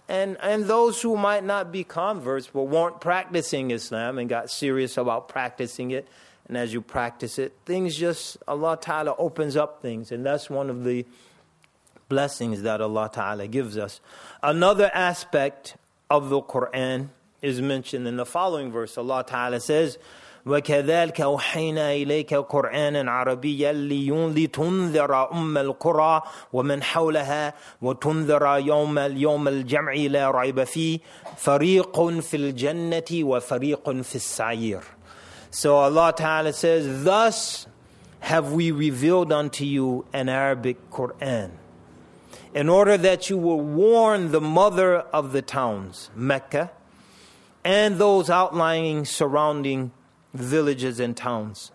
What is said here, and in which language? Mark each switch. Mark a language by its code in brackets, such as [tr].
[en] And those who might not be converts but weren't practicing Islam and got serious about practicing it, and as you practice it, things just, Allah Ta'ala opens up things. And that's one of the blessings that Allah Ta'ala gives us. Another aspect of the Qur'an is mentioned in the following verse. Allah Ta'ala says, [ar] وَكَذَلْكَ أُوحَيْنَا إِلَيْكَ قُرْآنًا عَرَبِيًّا لِتُنْذِرَ أُمَّ الْقُرَى وَمَنْ حَوْلَهَا وَتُنْذِرَ يَوْمَ الْجَمْعِ لَا رَيْبَ فِيهِ فَرِيقٌ فِي الْجَنَّةِ وَفَرِيقٌ فِي السَّعِيرِ. [en] So Allah Ta'ala says, thus have we revealed unto you an Arabic Quran, in order that you will warn the mother of the towns, Mecca, and those outlying surrounding villages and towns.